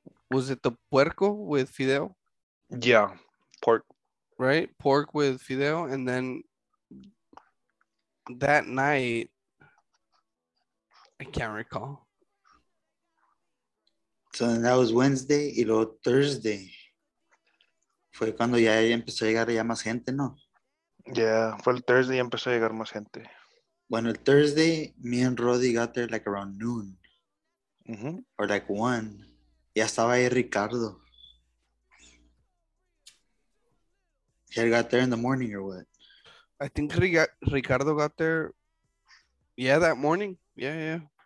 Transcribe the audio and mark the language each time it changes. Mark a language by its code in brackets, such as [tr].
[en] Was it the puerco with fideo? Yeah, pork. Right, pork with fideo, and then that night, I can't recall. So then that was Wednesday, [es] y luego [en] Thursday. [es] Fue cuando ya empezó a llegar ya más gente, ¿no? Yeah, fue el Thursday y empezó a llegar más gente. Bueno, el [en] Thursday, me and Roddy got there like around noon. Mm-hmm. Or like one. [es] Ya estaba ahí Ricardo. [en] He got there in the morning or what? I think Ricardo got there. Yeah, that morning. Yeah.